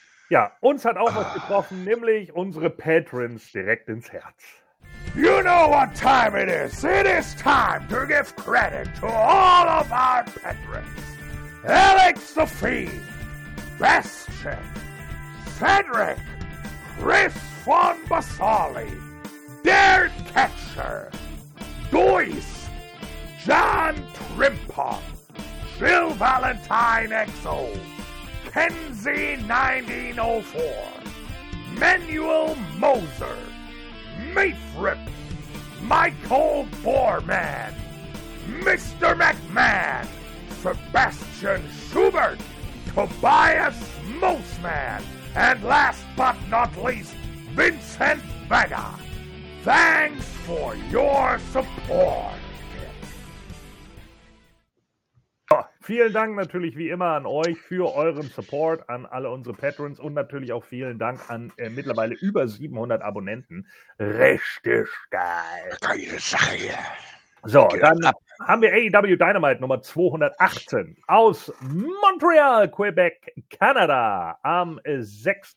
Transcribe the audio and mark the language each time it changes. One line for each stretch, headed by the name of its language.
German: Ja, uns hat auch was getroffen, nämlich unsere Patrons direkt ins Herz.
English: You know what time it is. It is time to give credit to all of our Patrons. Alex the Fiend, Bastion, Cedric, Chris von Basali, Dare Catcher, Dois, John Trimpop, Jill Valentine XO, Kenzie 1904, Manuel Moser, Mayfrip, Michael Boorman, Mr. McMahon, Sebastian Schubert, Tobias Mosman, and last but not least, Vincent Vega. Thanks for your support.
German: Vielen Dank natürlich wie immer an euch für euren Support, an alle unsere Patrons und natürlich auch vielen Dank an mittlerweile über 700 Abonnenten. Richtig geil. Geile Sache hier. So, dann haben wir AEW Dynamite Nummer 218 aus Montreal, Quebec, Kanada am 6.